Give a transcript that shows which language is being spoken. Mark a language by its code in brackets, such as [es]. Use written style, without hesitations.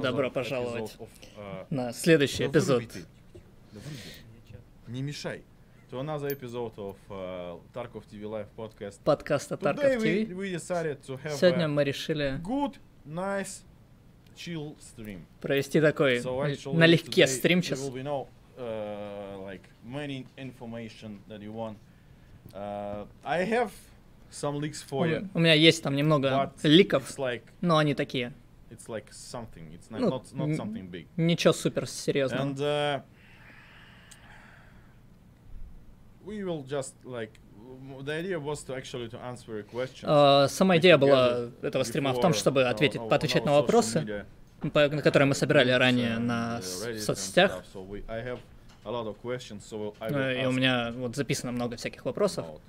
[ru] Добро пожаловать на следующий эпизод. Не мешай. [en] To another episode of Tarkov TV Live podcast. [ru] Подкаста Tarkov TV. Сегодня мы решили... [en] Good, nice... chill stream. [ru] Провести такой налегке стрим сейчас. [en] You will know like many information that you want. I have some leaks for you. [ru] У меня есть там немного ликов, но они такие. [en] It's like something. It's not something big. [ru] Ничего супер серьезного. [en] And we will just like the idea was to actually to answer your questions. [ru] Сама идея была этого стрима в том, чтобы ответить, поотвечать на вопросы. На которые мы собирали ранее на соцсетях. И у меня вот записано много всяких вопросов.